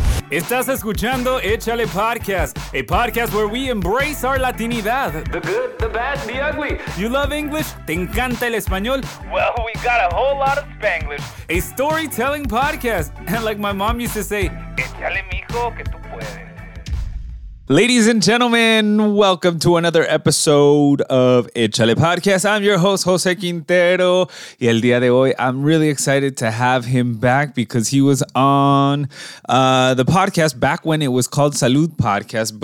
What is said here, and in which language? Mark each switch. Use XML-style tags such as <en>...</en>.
<es>Estás escuchando</es> <en>Échale Podcast, a podcast where we embrace our Latinidad. The good, the bad, the ugly. You love English?</en> <es>¿Te encanta el español?</es> <en>Well, we got a whole lot of Spanglish. A storytelling podcast. And like my mom used to say,</en> <es>Échale, mijo, que tú puedes.</es> <en>Ladies and gentlemen, welcome to another episode of Échale Podcast. I'm your host, Jose Quintero.</en> <es>Y el día de hoy,</es> <en>I'm really excited to have him back because he was on the podcast back when it was called Salud Podcast.</en>